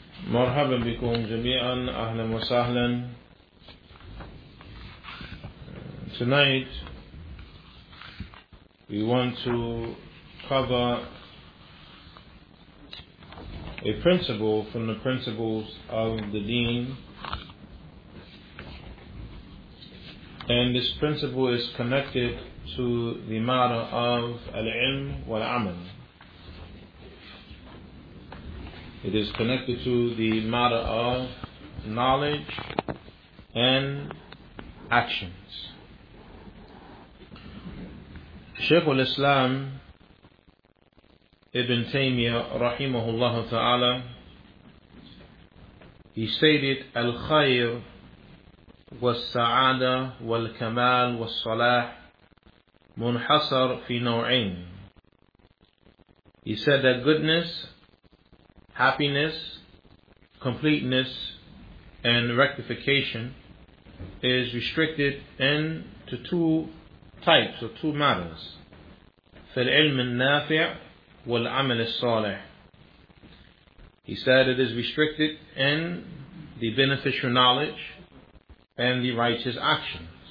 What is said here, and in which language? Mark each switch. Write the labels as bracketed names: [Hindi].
[Arabic] مرحبا بكم جميعا أهلا وسهلا [English] Tonight we want to cover a principle from the principles of the deen, and this principle is connected to the matter of al-ilm wal-amal. It is connected to the matter of knowledge and actions. Shaykh al-Islam Ibn Taymiyyah rahimahullah ta'ala, he stated, [Arabic] Al-Khayr was-sa'ada wal-kamal was-salah munhasar fi naw'ain. [English] He said that goodness, happiness, completeness, and rectification is restricted into two types or two matters. [Arabic] فالعلم النافع والعمل الصالح. [English] He said it is restricted in the beneficial knowledge and the righteous actions.